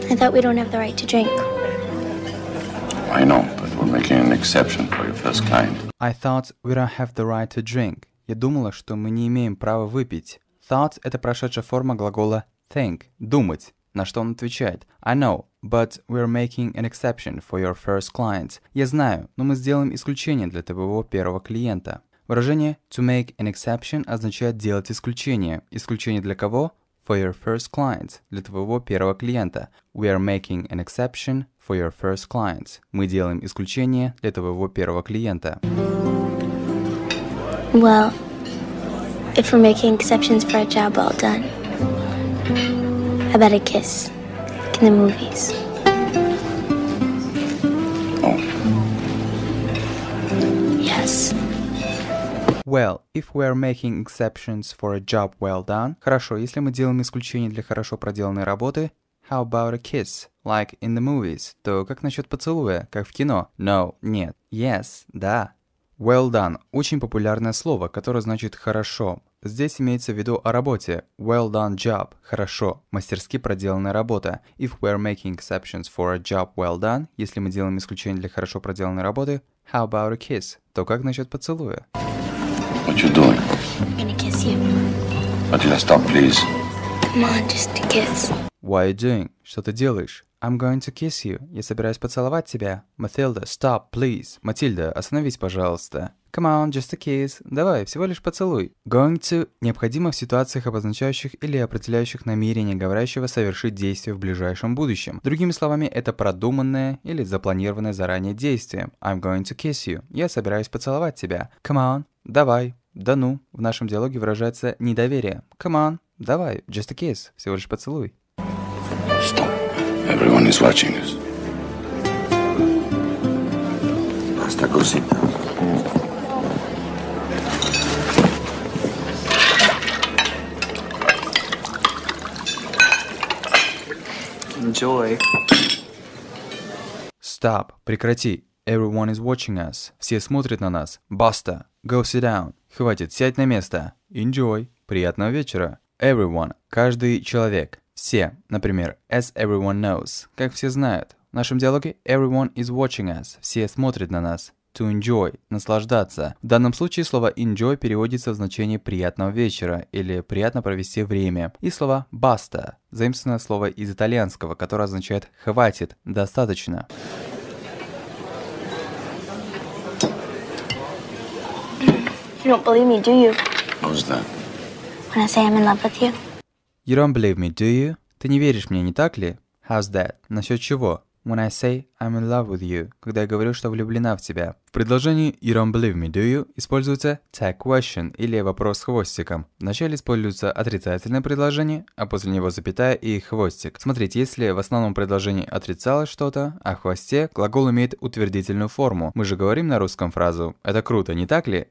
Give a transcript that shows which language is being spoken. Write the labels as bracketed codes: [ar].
[en] We don't have the right to drink. I know, but we're making an exception for your first kind. I thought we don't have the right to drink. [ru] Я думала, что мы не имеем права выпить. Thought – это прошедшая форма глагола think – думать. На что он отвечает? [en] I know, but we're making an exception for your first client. [ru] Я знаю, но мы сделаем исключение для твоего первого клиента. Выражение [en] to make an exception [ru] означает делать исключение. Исключение для кого? [en] For your first client, [ru] для твоего первого клиента. [en] We are making an exception for your first client. [ru] Мы делаем исключение для твоего первого клиента. [en] Well, if we're making exceptions for a job well done, how about a kiss in the movies? Well, if we are making exceptions for a job well done, [ru] хорошо, если мы делаем исключение для хорошо проделанной работы, [en] how about a kiss, like in the movies, [ru] то как насчет поцелуя, как в кино? [en] No, [ru] нет. [en] Yes, [ru] да. Well done – очень популярное слово, которое значит «хорошо». Здесь имеется в виду о работе. [en] Well done job [ru] – хорошо, мастерски проделанная работа. [en] If we are making exceptions for a job well done, [ru] если мы делаем исключение для хорошо проделанной работы, [en] how about a kiss, [ru] то как насчет поцелуя? [en] What you doing? I'm gonna kiss you. Matilda, stop, please. Come on, just a kiss. What are you doing? [ru] Что ты делаешь? [en] I'm going to kiss you. [ru] Я собираюсь поцеловать тебя. [en] Matilda, stop, please. [ru] Матильда, остановись, пожалуйста. [en] Come on, just a kiss. [ru] Давай, всего лишь поцелуй. Going to необходимо в ситуациях, обозначающих или определяющих намерение говорящего совершить действие в ближайшем будущем. Другими словами, это продуманное или запланированное заранее действие. [en] I'm going to kiss you. [ru] Я собираюсь поцеловать тебя. [en] Come on, [ru] давай, да ну. В нашем диалоге выражается недоверие. [en] Come on, [ru] давай, [en] just a kiss. [ru] Всего лишь поцелуй. [en] Stop. Everyone is watching us. Basta, go sit down. Enjoy. Stop. [ru] Прекрати. [en] Everyone is watching us. [ru] Все смотрят на нас. Basta. [en] Go sit down. [ru] Хватит, сядь на место. [en] Enjoy. [ru] Приятного вечера. everyone, каждый человек, все, например, [en] as everyone knows, [ru] как все знают. В нашем диалоге [en] everyone is watching us, [ru] все смотрят на нас. To enjoy, наслаждаться. В данном случае слово enjoy переводится в значение приятного вечера или приятно провести время. И слово basta, заимствованное слово из итальянского, которое означает хватит, достаточно. [en] You don't believe me, do you? What's that? When I say I'm in love with you. You don't believe me, do you? [ru] Ты не веришь мне, не так ли? [en] How's that? [ru] Насчет чего? [en] When I say I'm in love with you, [ru] когда я говорю, что влюблена в тебя. В предложении [en] you don't believe me, do you? [ru] Используется tag question или вопрос с хвостиком. Вначале используется отрицательное предложение, а после него запятая и хвостик. Смотрите, если в основном предложении отрицалось что-то, а в хвосте глагол имеет утвердительную форму. Мы же говорим на русском фразу «это круто, не так ли?»